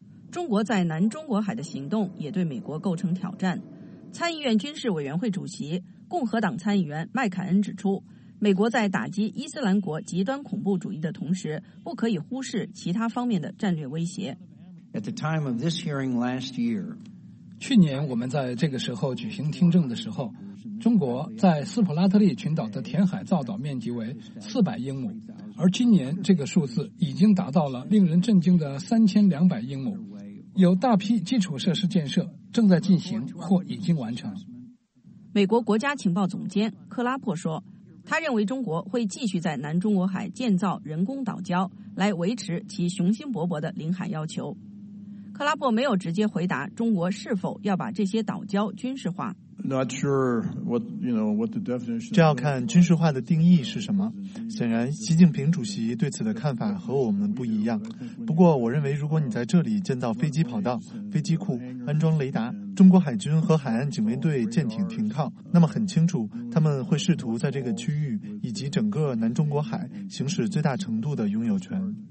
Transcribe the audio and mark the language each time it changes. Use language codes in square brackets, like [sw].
[zh] 中国在南中国海的行动也对美国构成挑战。参议院军事委员会主席、共和党参议员麦凯恩指出，美国在打击伊斯兰国极端恐怖主义的同时，不可以忽视其他方面的战略威胁。 [en] At the time of this hearing last year, [zh] 去年我们在这个时候举行听证的时候，中国在斯普拉特利群岛的填海造岛面积为400英亩，而今年这个数字已经达到了令人震惊的3200英亩，有大批基础设施建设正在进行或已经完成。美国国家情报总监克拉珀说，他认为中国会继续在南中国海建造人工岛礁来维持其雄心勃勃的领海要求。克拉珀没有直接回答中国是否要把这些岛礁军事化。 [en] not sure what, you know, what the definition. [zh] 这要看军事化的定义是什么。显然，习近平主席对此的看法和我们不一样。不过，我认为如果你在这里建造飞机跑道、飞机库、安装雷达，中国海军和海岸警卫队舰艇停靠，那么很清楚，他们会试图在这个区域以及整个南中国海行使最大程度的拥有权。